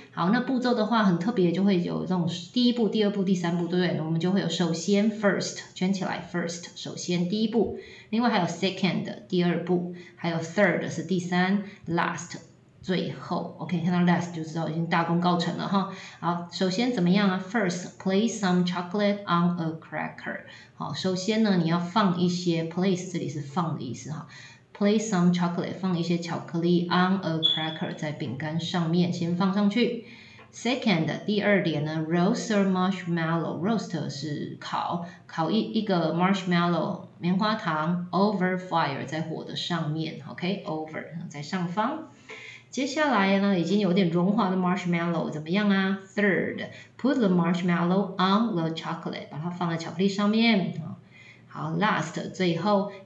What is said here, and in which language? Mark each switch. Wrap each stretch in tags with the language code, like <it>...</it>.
<zh>好，那步骤的话很特别，就会有这种第一步、第二步、第三步，对不对？我们就会有首先 first 圈起来 first 首先第一步，另外还有 second 第二步，还有 third 是第三 last。最后 ，OK， 看到 last 就知道已经大功告成了哈。好，首先怎么样啊 ？</zh> <en>First, place some chocolate on a cracker。</en> <zh>好，首先呢，你要放一些 place， 这里是放的意思哈。</zh> <en>Place some chocolate，</en> <zh>放一些巧克力</zh> <en>on a cracker，</en> <zh>在饼干上面先放上去。 Second， 第二点呢 ，</zh> <en>roast a marshmallow。</en> <zh>Roast 是烤，烤一个 marshmallow 棉花糖</zh> <en>over fire，</en> <zh>在火的上面 ，OK， over 在上方。接下来呢，已经有点融化的 marshmallow 怎么样啊 ？</zh> <en>Third, put the marshmallow on the chocolate，</en> <zh>把它放在巧克力上面。好 ，last 最后</zh>